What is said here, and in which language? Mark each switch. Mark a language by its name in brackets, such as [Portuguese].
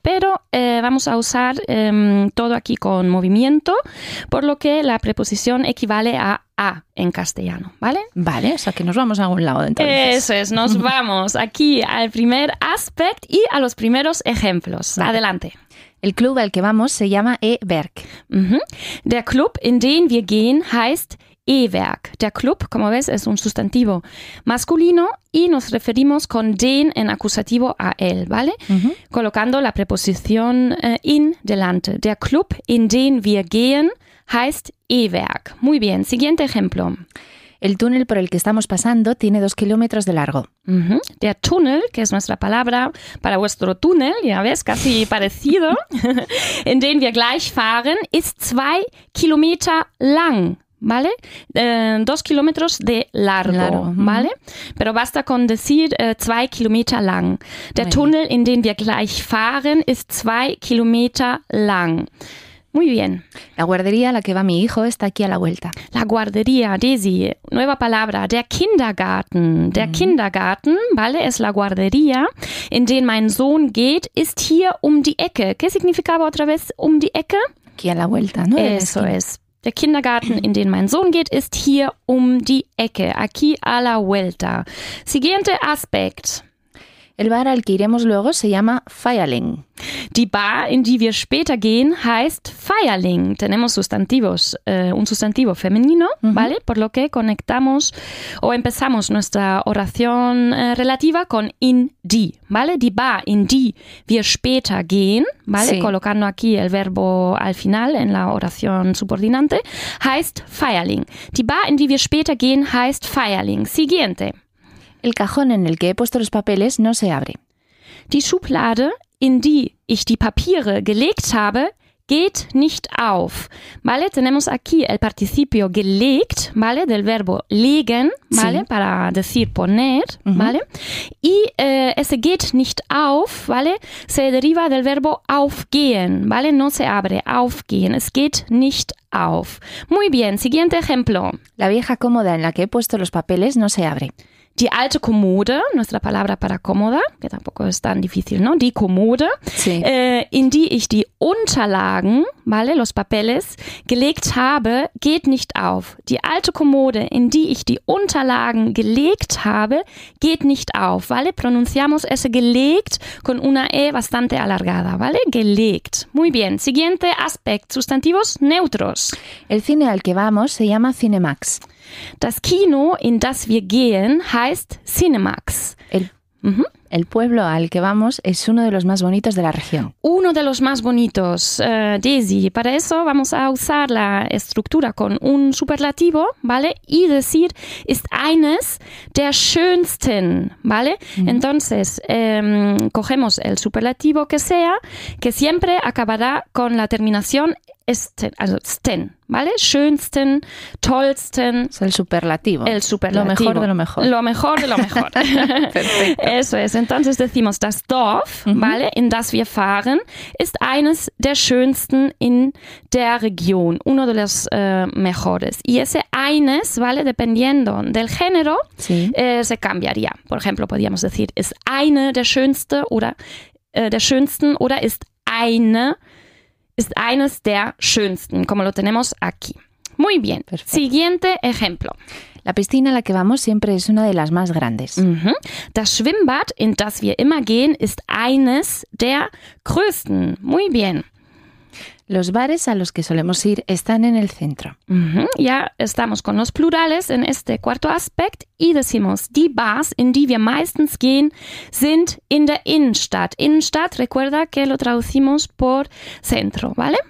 [Spanish] Pero vamos a usar todo aquí con movimiento, por lo que la preposición equivale a en castellano, ¿vale? Vale, o sea que nos vamos a algún lado entonces. Eso es, nos vamos aquí al primer aspect y a los primeros ejemplos. Vale. Adelante. El club al que vamos se llama E-Werk. Uh-huh. [German] Der Club in den wir gehen heißt E-Werk. Der Club, [Spanish] como ves, es un sustantivo masculino y nos referimos con den en acusativo a él, ¿vale? Uh-huh. Colocando la preposición in delante. [German] Der Club in den wir gehen heißt E-Werk. [Spanish] Muy bien, siguiente ejemplo. El túnel por el que estamos pasando tiene 2 kilómetros de largo. Uh-huh. Der Tunnel, que es nuestra palabra para vuestro túnel, ya ves, casi parecido, [German] in den wir gleich fahren, ist 2 Kilometer lang. [Spanish] ¿Vale? 2 kilómetros de largo, claro. ¿Vale? Pero basta con decir 2 kilómetros lang. [German] Der Tunnel, in den wir gleich fahren, ist 2 kilómetros lang. [Spanish] Muy bien. La guardería a la que va mi hijo está aquí a la vuelta. La guardería, Daisy. Nueva palabra. Der Kindergarten. Der Kindergarten, ¿vale? Es la guardería. [German] In den mein Sohn geht, ist hier um die Ecke. [Spanish] ¿Qué significaba otra vez [German] um die Ecke? [Spanish] Aquí a la vuelta, ¿no? Eso es. [German] Der Kindergarten, in den mein Sohn geht, ist hier um die Ecke. [Spanish] Aquí a la vuelta. Siguiente Aspekt. El bar al que iremos luego se llama Feierling. [German] Die Bar, in die wir später gehen, heißt Feierling. [Spanish] Tenemos sustantivos, un sustantivo femenino, uh-huh. ¿Vale? Por lo que conectamos o empezamos nuestra oración relativa con in die, ¿vale? [German] Die Bar, in die wir später gehen, ¿vale? Sí. [Spanish] Colocando aquí el verbo al final en la oración subordinante, [German] heißt Feierling. Die Bar, in die wir später gehen, heißt Feierling. [Spanish] Siguiente. El cajón en el que he puesto los papeles no se abre. [German] Die Schublade, in die ich die Papiere gelegt habe, geht nicht auf. [Spanish] ¿Vale? Tenemos aquí el participio gelegt, ¿vale? Del verbo legen, ¿vale? Sí. Para decir poner, uh-huh. ¿Vale? Y ese [German] geht nicht auf, [Spanish] ¿vale? Se deriva del verbo aufgehen, ¿vale? No se abre, aufgehen. [German] Es geht nicht auf. [Spanish] Muy bien, siguiente ejemplo. La vieja cómoda en la que he puesto los papeles no se abre. [German] Die alte Kommode, [Spanish] nuestra palabra para cómoda, que tampoco es tan difícil, ¿no? [German] Die Kommode, [Spanish] sí. [German] In die ich die Unterlagen, ¿vale? [Spanish] Los papeles, [German] gelegt habe, geht nicht auf. Die alte Kommode, in die ich die Unterlagen gelegt habe, geht nicht auf. [Spanish] ¿Vale? Pronunciamos ese gelegt con una E bastante alargada, ¿vale? Gelegt. Muy bien. Siguiente aspect. Sustantivos neutros. El cine al que vamos se llama Cinemax. [German] Das Kino, in das wir gehen, heißt Cinemax. [Spanish] El pueblo al que vamos es uno de los más bonitos de la región. Uno de los más bonitos, Daisy. Para eso vamos a usar la estructura con un superlativo, ¿vale? Y decir, [German] ist eines der schönsten, [Spanish] ¿vale? Uh-huh. Entonces, cogemos el superlativo que sea, que siempre acabará con la terminación esten, also sten. ¿Vale? Schönsten, tollsten. Es el superlativo. El superlativo. Lo mejor de lo mejor. Lo mejor de lo mejor. Perfecto. Eso es. Entonces decimos, [German] das Dorf, [Spanish] uh-huh. ¿Vale? [German] In das wir fahren, ist eines der schönsten in der Region. [Spanish] Uno de los mejores. Y ese eines, ¿vale? Dependiendo del género, sí. Se cambiaría. Por ejemplo, podríamos decir, [German] ist eine der schönste oder der schönsten [Spanish] oder ist eine ist eines der schönsten, como lo tenemos aquí. Muy bien. Perfecto. Siguiente ejemplo. La piscina a la que vamos siempre es una de las más grandes. Mm-hmm. [German] Das Schwimmbad, in das wir immer gehen, ist eines der größten. [Spanish] Muy bien. Los bares a los que solemos ir están en el centro. Mm-hmm. Ya estamos con los plurales en este cuarto aspect y decimos, [German] die bars, in die wir meistens gehen, sind in der Innenstadt. [Spanish] Innenstadt, recuerda que lo traducimos por centro, ¿vale?